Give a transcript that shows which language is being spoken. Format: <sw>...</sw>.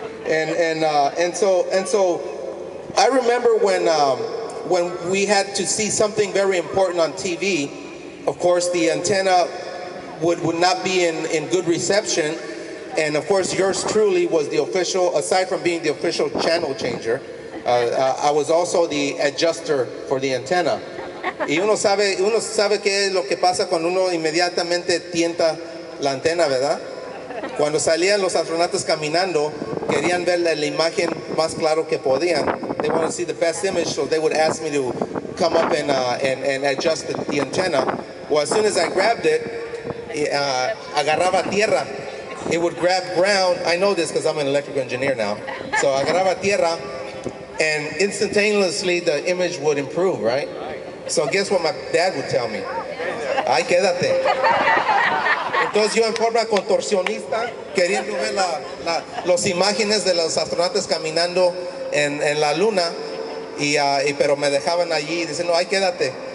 <en>And so I remember when we had to see something very important on TV, of course the antenna would not be in good reception. And of course yours truly was the official, aside from being the official channel changer, I was also the adjuster for the antenna.</en> <es>Y uno sabe qué es lo que pasa cuando uno inmediatamente tienta la antena, ¿verdad? Cuando salían los astronautas caminando, querían ver la imagen más claro que podían.</es> <en>They wanted to see the best image, so they would ask me to come up and adjust the antenna. Well, as soon as I grabbed it,</en> <es>agarraba tierra.</es> <en>It would grab ground. I know this because I'm an electrical engineer now. So</en> <es>agarraba tierra,</es> <en>and instantaneously the image would improve, right? So guess what my dad would tell me?</en> <es>Ay, quédate. Entonces yo en forma contorsionista, queriendo ver las imágenes de los astronautas caminando en la luna, pero me dejaban allí diciendo, ay, quédate.</es>